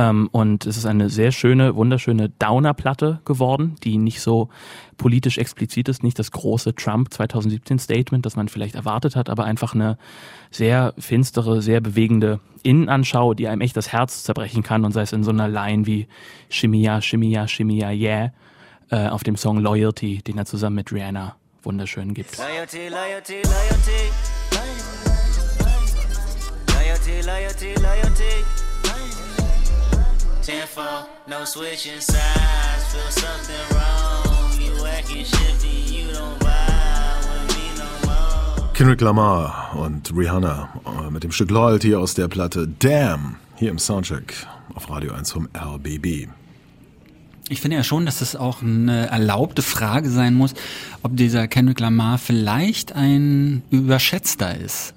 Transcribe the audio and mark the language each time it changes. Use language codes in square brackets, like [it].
[de] Und es ist eine sehr schöne, wunderschöne Downer-Platte geworden, die nicht so politisch explizit ist, nicht das große Trump 2017-Statement, das man vielleicht erwartet hat, aber einfach eine sehr finstere, sehr bewegende Innenanschau, die einem echt das Herz zerbrechen kann und sei es in so einer Line wie [en] Shimmya, Shimmya, Shimmya, yeah, [de] auf dem Song Loyalty, den er zusammen mit Rihanna wunderschön gibt. [en] Loyalty, loyalty, loyalty. Loyalty, loyalty, loyalty. Tenfold, no switching sides, feel something wrong. You acting shifty, you don't vibe with me no more. [de] Kendrick Lamar und Rihanna mit dem Stück Loyalty aus der Platte Damn hier im Soundcheck auf Radio 1 vom RBB. Ich finde ja schon, dass es auch eine erlaubte Frage sein muss, ob dieser Kendrick Lamar vielleicht ein Überschätzter ist.